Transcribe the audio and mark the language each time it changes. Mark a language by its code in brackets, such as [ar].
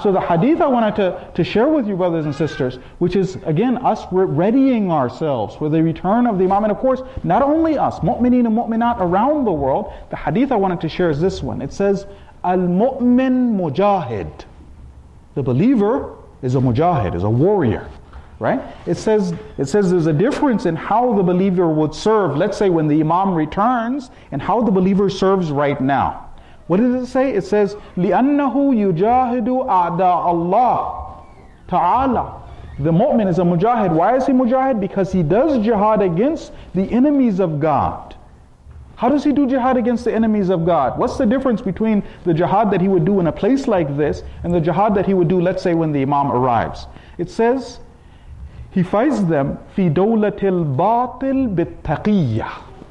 [en] So the hadith I wanted to share with you, brothers and sisters, which is, again, us readying ourselves for the return of the Imam. And of course, not only us, mu'mineen and mu'minat around the world, the hadith I wanted to share is this one. It says, [ar] Al-mu'min mujahid. [en] The believer is a mujahid, is a warrior. Right? It says there's a difference in how the believer would serve, let's say when the imam returns, and how the believer serves right now. What does it say? It says, [ar] لِأَنَّهُ يُجَاهِدُ أَعْدَاءَ اللَّهِ تَعَالَى. [en] The mu'min is a mujahid. Why is he mujahid? Because he does jihad against the enemies of God. How does he do jihad against the enemies of God? What's the difference between the jihad that he would do in a place like this and the jihad that he would do, let's say, when the imam arrives? It says, he fights them [ar] fi dawlatil batil bit taqiyya.